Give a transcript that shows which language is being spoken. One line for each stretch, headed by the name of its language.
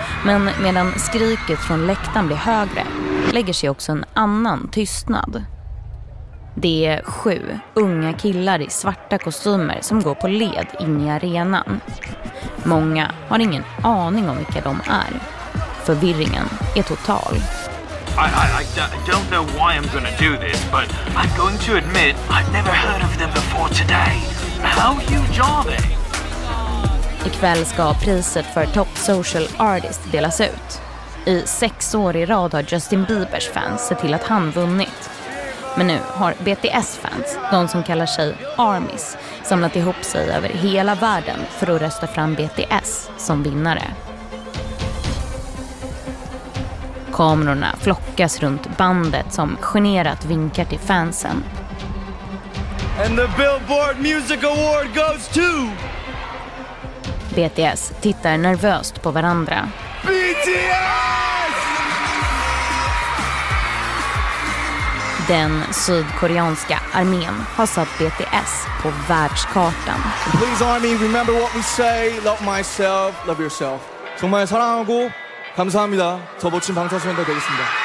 Swedish: Men medan skriket från läktaren blir högre lägger sig också en annan tystnad. Det är 7 unga killar i svarta kostymer som går på led in i arenan. Många har ingen aning om vilka de är. Förvirringen är total.
English: I don't know why I'm gonna do this, but I'm going to admit I've never heard of them before today. How huge are they?
Swedish: Ikväll ska priset för Top Social Artist delas ut. I 6 år i rad har Justin Biebers fans sett till att han vunnit. Men nu har BTS fans, de som kallar sig ARMYs, samlat ihop sig över hela världen för att rösta fram BTS som vinnare. Kamerorna flockas runt bandet som generat vinkar till fansen.
English: And the Billboard Music Award goes to...
Swedish: BTS tittar nervöst på varandra. BTS! Den sydkoreanska armén har satt BTS på världskartan.
English: Please army, remember what we say. Love myself, love yourself.
Korean: 정말 사랑하고 감사합니다. 더 멋진 방탄소년단 되겠습니다.